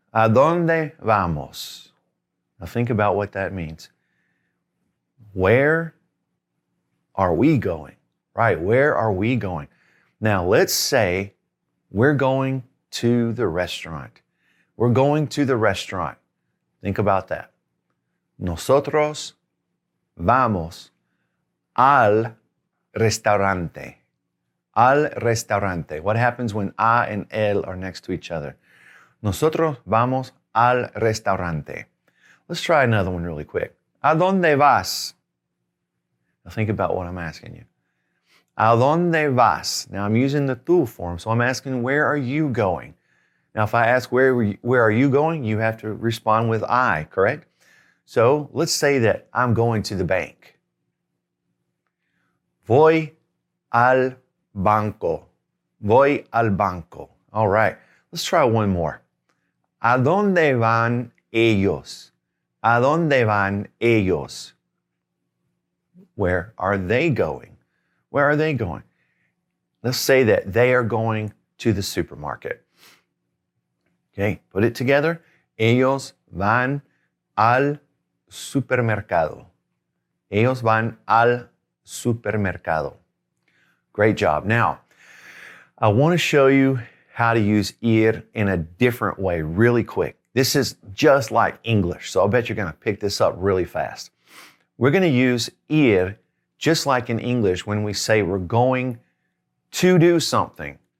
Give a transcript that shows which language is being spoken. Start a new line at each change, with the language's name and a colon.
Spanish: ¿A dónde vamos?
English: Now think about what that means. Where are we going? Right, where are we going? Now, let's say we're going to the restaurant. We're going to the restaurant. Think about that.
Spanish: Nosotros vamos al restaurante. Al restaurante.
English: What happens when a and el are next to each other?
Spanish: Nosotros vamos al restaurante.
English: Let's try another one really quick.
Spanish: ¿A dónde vas?
English: Now think about what I'm asking you.
Spanish: ¿A dónde vas?
English: Now I'm using the tú form, so I'm asking where are you going? Now if I ask where are you going, you have to respond with I, correct? So let's say that I'm going to the bank.
Spanish: Voy al banco. Voy al banco.
English: All right. Let's try one more.
Spanish: ¿A dónde van ellos? ¿A dónde van ellos?
English: Where are they going? Where are they going? Let's say that they are going to the supermarket. Okay. Put it together.
Spanish: Ellos van al supermercado. Ellos van al supermercado.
English: Great job. Now, I want to show you how to use ir in a different way really quick. This is just like English, so I bet you're going to pick this up really fast. We're going to use ir just like in English when we say we're going to do something.